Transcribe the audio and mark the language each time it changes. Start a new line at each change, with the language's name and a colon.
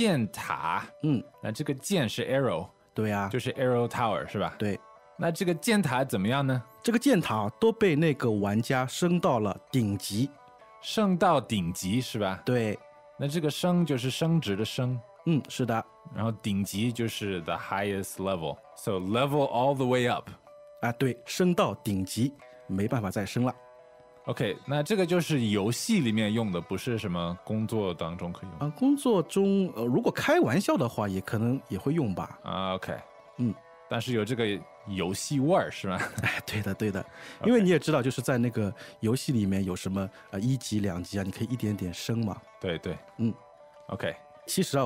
Chinese: 但是很久以前啊，我也是最近都不怎么玩了。但是我记得里面有一些建筑啊，都很有各个种族的特色嘛。啊，对，我们第一个是什么？比如说是箭塔。箭塔。嗯，那这个箭是arrow。对啊，就是arrow tower是吧？对，那这个箭塔怎么样呢？这个箭塔都被那个玩家升到了顶级，升到顶级是吧？对，那这个升就是升职的升。嗯，是的。然后顶级就是the
English: highest level, so level all the way up.
Chinese: 啊，对，升到顶级，没办法再升了。OK，那这个就是游戏里面用的，不是什么工作当中可以用。工作中，如果开玩笑的话，也可能也会用吧。啊，OK。但是有这个游戏味儿是吗？对的，对的。因为你也知道，就是在那个游戏里面有什么一级、两级啊，你可以一点点升嘛。对对，嗯。OK。其实啊，